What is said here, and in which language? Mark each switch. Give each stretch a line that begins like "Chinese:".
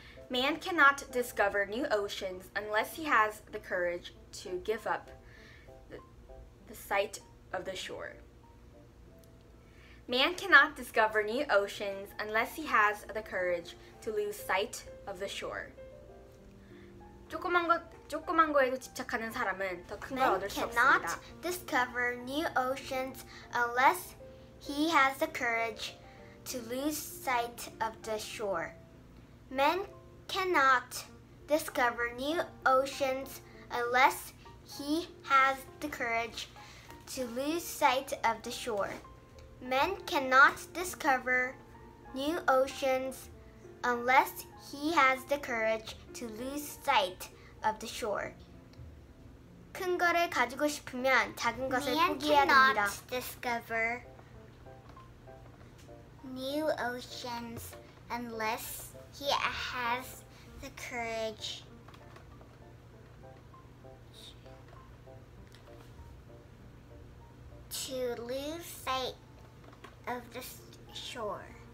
English: Man cannot discover new oceans unless he has the courage to give up the sight of the shore. Man cannot discover new oceans unless he has the courage to lose sight of the shore.
Korean: 조그만 거에도 집착하는 사람은 더 큰 걸 얻을 수 없습니다.
English: Man cannot discover new oceans unless he has the courage to lose sight of the shore. Man cannot discover new oceans unless he has the courage to lose sight of the shore. Man cannot discover new oceans unless he has the courage to lose sight of the shore.
Korean: 큰 거를 가지고 싶으면 작은 것을
English: Man
Korean: 포기해야
English: cannot
Korean: 됩니다.
English: Discover new oceans unless he has the courage to lose sight of the shore.